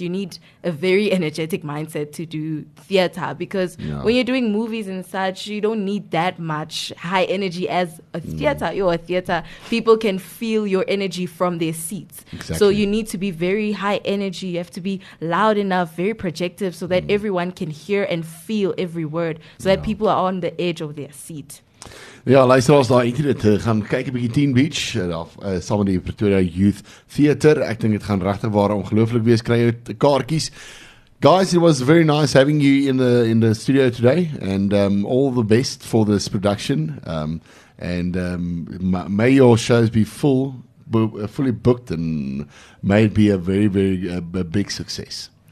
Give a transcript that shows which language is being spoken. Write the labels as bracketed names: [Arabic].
[English] You need a very energetic mindset to do theater, because when you're doing movies and such, you don't need that much high energy as a theater. You're a theater. People can feel your energy from their seats. Exactly. So you need to be very high energy. You have to be loud enough, very projective, so that everyone can hear and feel every word, so that people are on the edge of their seat. [Afrikaans] Ja, luisteraars, daar het dit gaan kyk 'n bietjie Teen Beach of saam met die Pretoria Youth Theater. Ek dink dit gaan regtig waar ongelooflik wees. Kry jou kaartjies. [English] Guys, it was very nice having you in the studio today, and all the best for this production. May your shows be fully booked, and may it be a very, very big success.